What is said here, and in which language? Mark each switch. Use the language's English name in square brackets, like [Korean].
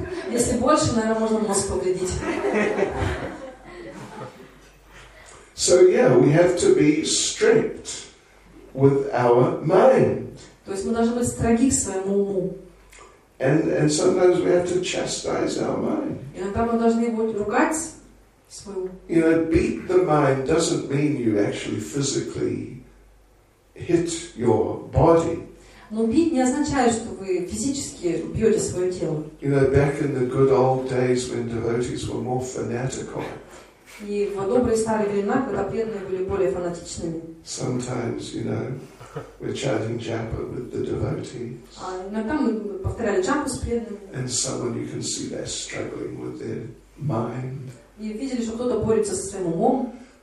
[Russian] Если больше, наверное, можно мозг повредить. [English] So yeah, we have to be strict with our mind. [Russian] То есть мы должны быть строги к своему уму. [English] And sometimes we have to chastise our mind. [Russian] Иногда мы должны будем ругать свой ум. [English] You know, beat the mind doesn't mean you actually physically hit your body. [Russian] Но бить не означает, что вы физически бьете свое тело. [English] You know, back in the good old days when devotees were more fanatical. [Russian] И в добрые старые времена, когда преданные были более фанатичными. [English] Sometimes, you know, we're chanting japa with the devotees. [Russian] А иногда мы повторяли джапу с преданными. [English] And someone you can see they're struggling with their mind. [Russian] И видели, что кто-то борется со своим умом.